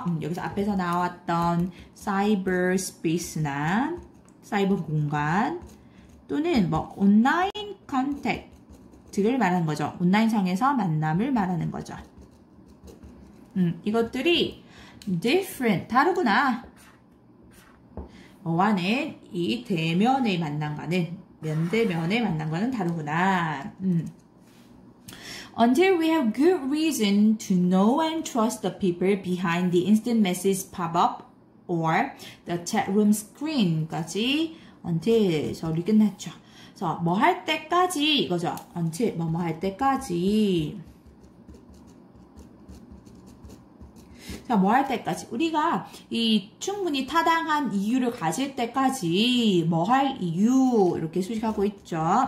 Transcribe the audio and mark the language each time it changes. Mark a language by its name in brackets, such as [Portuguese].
[Korean] 여기서 앞에서 나왔던 cyberspace나 사이버 공간 또는 뭐 온라인 컨택트를 말하는 거죠. 온라인상에서 만남을 말하는 거죠. 이것들이 different, 다르구나. 뭐와는 이 대면의 만남과는, 면대면의 만남과는 다르구나. [English] Until we have good reason to know and trust the people behind the instant message pop-up or the chat room screen [Korean] 까지 [English] until [Korean] 저리 끝났죠. 그래서 뭐 할 때까지 이거죠. Until 뭐뭐 할 때까지. 자, 뭐 할 때까지 우리가 이 충분히 타당한 이유를 가질 때까지 뭐 할 이유 이렇게 수식하고 있죠.